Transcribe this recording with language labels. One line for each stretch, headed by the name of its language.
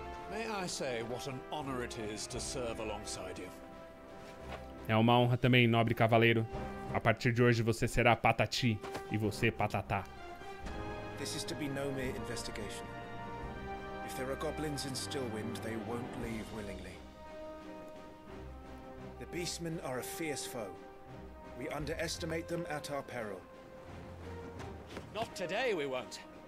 English: May I say what an honor it is to serve alongside you.
Portuguese: É uma honra também, nobre cavaleiro. A partir de hoje você será Patati e você Patatá.
English: This is to be no mere investigation. If there are goblins in Stillwind, they won't leave willingly. The beastmen are a fierce foe. We underestimate them at our peril. Not today, we won't.